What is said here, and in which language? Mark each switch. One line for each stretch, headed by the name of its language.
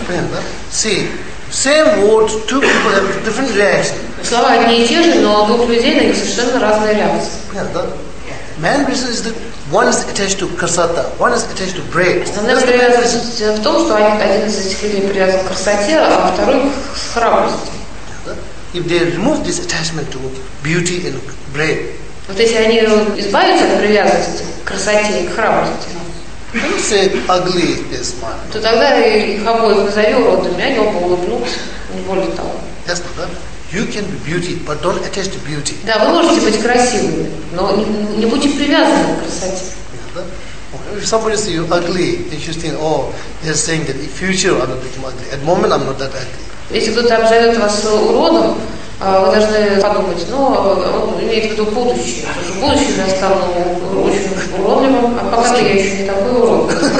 Russian: Понятно, да?
English: See. Same word, two people have different reactions.
Russian: Слова одни и те же, но у двух людей на них совершенно разные реакции.
English: Yeah, Man reason is that one is attached to
Russian: красота,
English: one is attached to break.
Russian: Основная привязанность в том, что один из этих людей привязан к красоте, а второй к храбрости.
English: If they remove this attachment to beauty and brave.
Russian: Вот если они избавятся от привязанности к красоте и к храбрости.
English: Don't say ugly this man.
Russian: То тогда их обоих назови уродами, они оба улыбнутся, не более того.
English: Yes, you can be beauty, but don't attach to beauty.
Russian: Да, вы можете быть красивыми, но не будьте привязаны к красоте.
English: If somebody says you're ugly, interesting, oh, they're saying that in future I'm a bit ugly. At the moment I'm not that ugly.
Russian: Если кто-то обзовет вас уродом, вы должны подумать, ну, он имеет в виду будущее. Потому что в будущем я стану очень уродливым, а пока я еще не такой урод.